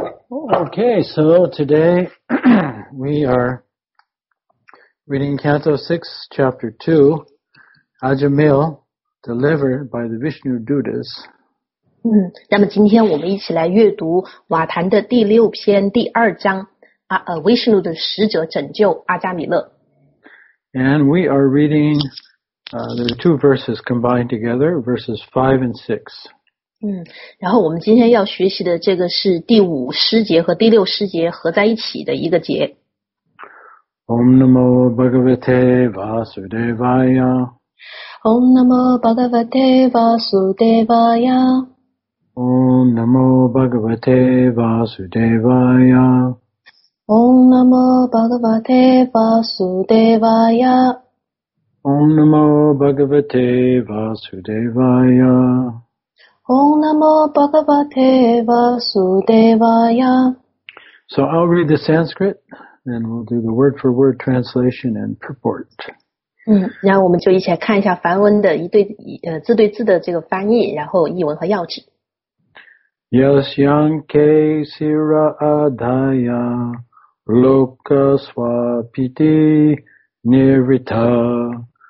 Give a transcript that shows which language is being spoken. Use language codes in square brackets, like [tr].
[en] Okay, so today we areReading Canto 6, Chapter 2, Ajamil, delivered by the Vishnu Dutas. [zh] 那么今天我们一起来阅读瓦坛的第六篇第二章 Vishnu 的使者拯救阿加米勒。 [en] And we are reading, there are two verses combined together, verses 5 and 6. [zh] 然后我们今天要学习的这个是第五诗节和第六诗节合在一起的一个节。 [sa] Om Namo Bhagavate Vasudevaya Om Namo Bhagavate Vasudevaya Om Namo Bhagavate Vasudevaya Om Namo Bhagavate Vasudevaya Om Namo Bhagavate Vasudevaya Om Namo Bhagavate Vasudevaya [en] So I'll read the Sanskrit. And we'll do the word-for-word translation and purport. [zh] 然后我们就一起来看一下梵文的一对字对字的这个翻译，然后译文和要旨。 [sa] Yasyam ke sira adhaya loka swapiti nirita